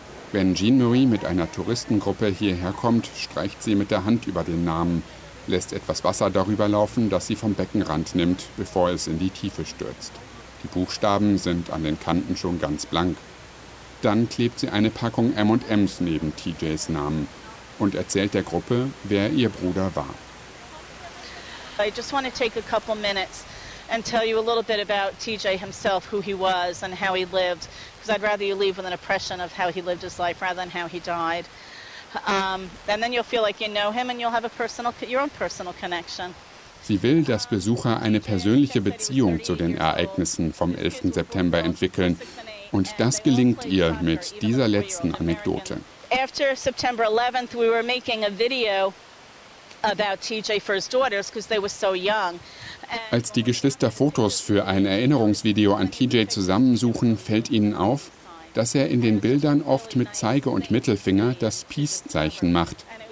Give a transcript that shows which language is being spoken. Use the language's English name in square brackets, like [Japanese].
[German] Wenn Jean Marie mit einer Touristengruppe hierher kommt, streicht sie mit der Hand über den Namen, lässt etwas Wasser darüber laufen, das sie vom Beckenrand nimmt, bevor es in die Tiefe stürzt. Die Buchstaben sind an den Kanten schon ganz blank. Dann klebt sie eine Packung M&Ms neben TJs Namen und erzählt der Gruppe, wer ihr Bruder war. [English] I just want to take a couple minutes and tell you a little bit about TJ himself, who he was and how he lived, because I'd rather you leave with an impression of how he lived his life rather than how he died. And then you'll feel like you know him and you'll have a personal, your own personal connection. [German] Sie will, dass Besucher eine persönliche Beziehung zu den Ereignissen vom 11. September entwickeln. Und das gelingt ihr mit dieser letzten Anekdote. [English] after September 11th, we were making a video about TJ for his daughters because they were so young. [German] Als die Geschwister Fotos für ein Erinnerungsvideo an TJ zusammensuchen, fällt ihnen auf, dass er in den Bildern oft mit Zeige- und Mittelfinger das Peace-Zeichen macht.